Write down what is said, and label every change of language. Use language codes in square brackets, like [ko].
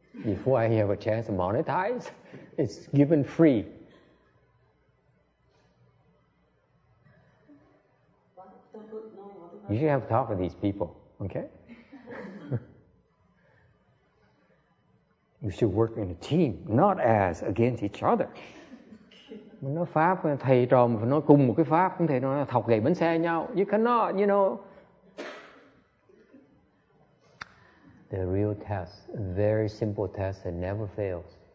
[en] Before I have a chance to monetize, it's given free. You should have talked to these people, okay? You should work in a team, not as against each other. [vi] Mình nói pháp, thầy trò mình phải nói cùng một cái pháp, không thể nói là thọc gậy bánh xe nhau. [en] You cannot, you know. The real test, a very simple test that never fails.